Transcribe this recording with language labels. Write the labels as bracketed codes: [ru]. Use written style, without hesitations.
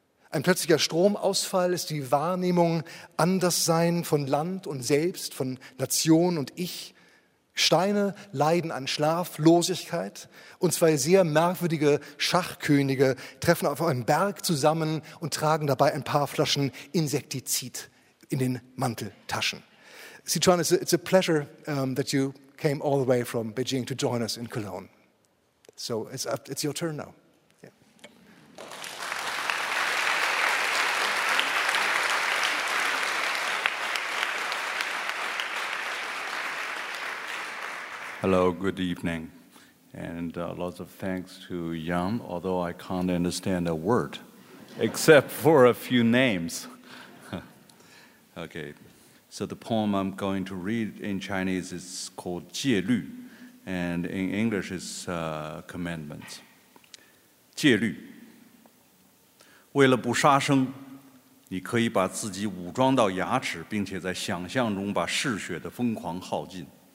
[de] Ein plötzlicher Stromausfall lässt die Wahrnehmung anders sein von Land und selbst, von Nation und Ich. Steine leiden an Schlaflosigkeit und 2 sehr merkwürdige Schachkönige treffen auf einem Berg zusammen und tragen dabei ein paar Flaschen Insektizid in den Manteltaschen. [en] Sichuan, it's a pleasure that you came all the way from Beijing to join us in Cologne. So it's your turn now. Hello, good evening, and lots of thanks to Jan, although I can't understand a word, except for a few names. Okay, so the poem I'm going to read in Chinese is called Jie Lü, and in English is Commandments. [zh] Jie Lü, 为了不杀生, 你可以把自己武装到牙齿, 并且在想象中把嗜血的疯狂耗尽。